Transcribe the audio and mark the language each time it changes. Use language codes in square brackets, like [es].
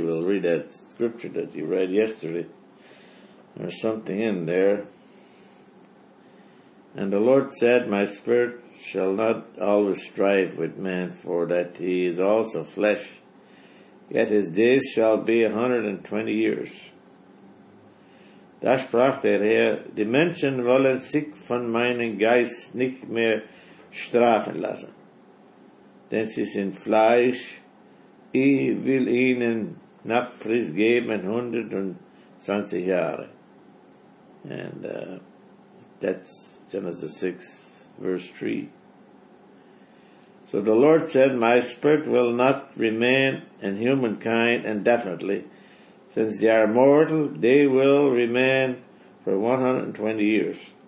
[en] We'll read that scripture that you read yesterday. There's something in there. And the Lord said, "My spirit shall not always strive with man, for that he is also flesh. Yet his days shall be 120 years. [de] Da sprach der Herr, die Menschen wollen sich von meinem Geist nicht mehr strafen lassen, denn sie sind Fleisch. Ich will ihnen Nachfrist geben, 120 Jahre. [en] And that's Genesis 6, verse 3. So the Lord said, my spirit will not remain in humankind indefinitely. Since they are mortal, they will remain for 120 years.